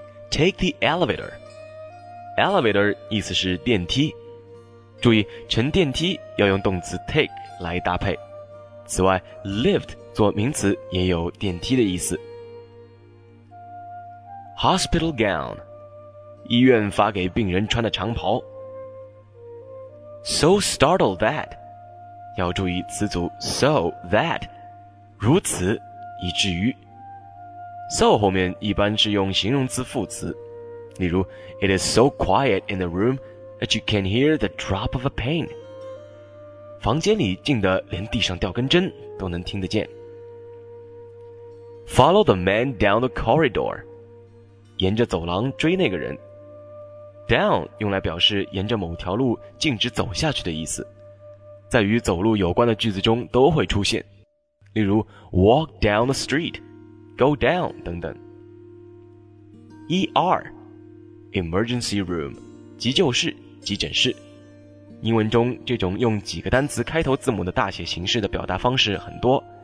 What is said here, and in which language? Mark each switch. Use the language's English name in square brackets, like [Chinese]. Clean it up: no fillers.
[English] Take the elevator， [Chinese] elevator 意思是电梯，注意乘电梯要用动词 take 来搭配。此外 lift 做名词也有电梯的意思。 [English] Hospital gown [Chinese] 医院发给病人穿的长袍。 [English] So startled that [Chinese] 要注意词组 so that 如此以至于。 So 后面一般是用形容词副词，例如 [English] It is so quiet in the roomThat you can hear the drop of a pin， [Chinese] 房间里静得连地上掉根针都能听得见。 [English] Follow the man down the corridor， [Chinese] 沿着走廊追那个人。 Down 用来表示沿着某条路径直走下去的意思，在与走路有关的句子中都会出现，例如 [English] walk down the street， go down [Chinese] 等等。 [English] ER emergency room [Chinese] 急救室急诊室，英文中这种用几个单词开头字母的大写形式的表达方式很多。